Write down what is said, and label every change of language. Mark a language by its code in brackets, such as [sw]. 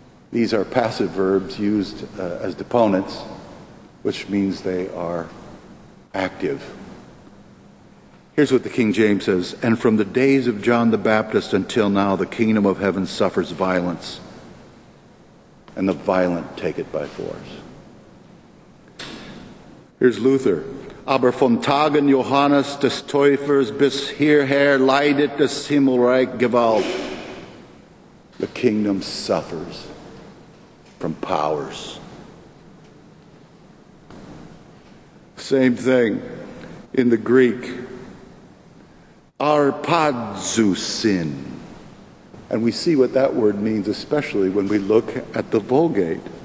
[en] These are passive verbs used as deponents, which means they are active. Here's what the King James says, "And from the days of John the Baptist until now, the kingdom of heaven suffers violence, and the violent take it by force." Here's Luther. [de] "Aber von Tagen Johannes des Täufers bis hierher leidet das Himmelreich Gewalt." [en] The kingdom suffers from powers. Same thing in the Greek. Arpazousin. And we see what that word means, especially when we look at the Vulgate.